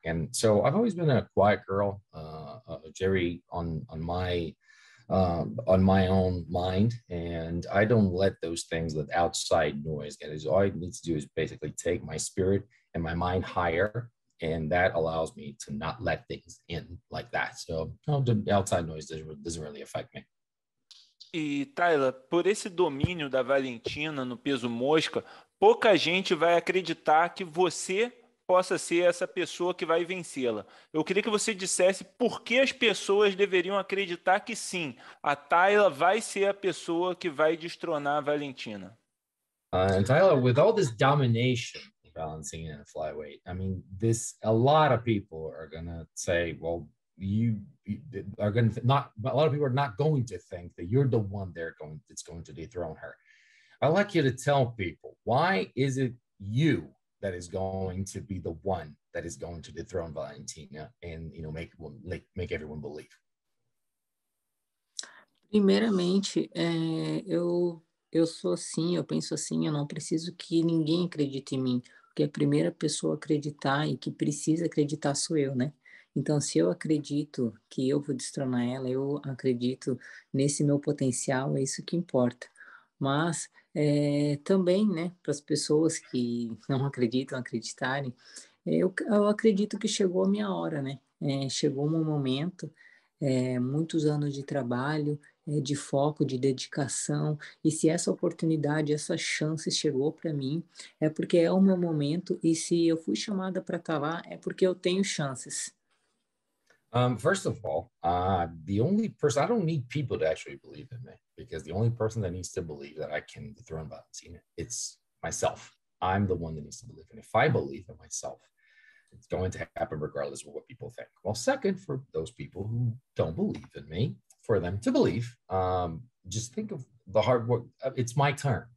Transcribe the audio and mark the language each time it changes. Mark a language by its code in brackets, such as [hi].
[en] And so I've always been a quiet girl, Jiri, on my own mind, and I don't let those things, that outside noise, get. All I need to do is basically take my spirit and my mind higher And that allows me to not let things in like that. So the outside noise doesn't really affect me. [pt] E, Taila, por esse domínio da Valentina no peso mosca, pouca gente vai acreditar que você possa ser essa pessoa que vai vencê-la. Eu queria que você dissesse por que as pessoas deveriam acreditar que sim, a Taila vai ser a pessoa que vai destronar a Valentina. [en] And Taila, with all this domination in balancing and flyweight, I mean, this, a lot of people are going to say, well, you are going to not, a lot of people are not going to think that you're the one they're going, that's going to dethrone her. I'd like you to tell people, why is it you that is going to be the one that is going to dethrone Valentina and, you know, make everyone believe? [pt] Primeiramente, eu sou assim, eu penso assim, eu não preciso que ninguém acredite em mim, porque a primeira pessoa a acreditar e que precisa acreditar sou eu, né? Então, se eu acredito que eu vou destronar ela, eu acredito nesse meu potencial, é isso que importa. Mas também, né, para as pessoas que não acreditam, acreditarem, eu acredito que chegou a minha hora, né? Chegou o meu momento, muitos anos de trabalho, de foco, de dedicação, e se essa oportunidade, essa chance chegou para mim, é porque é o meu momento, e se eu fui chamada para estar lá, é porque eu tenho chances. [en] First of all, the only person, I don't need people to actually believe in me, because the only person that needs to believe that I can dethrone Valentina, it's myself. I'm the one that needs to believe. And if I believe in myself, it's going to happen regardless of what people think. Well, second, for those people who don't believe in me, for them to believe, just think of the hard work. It's my turn.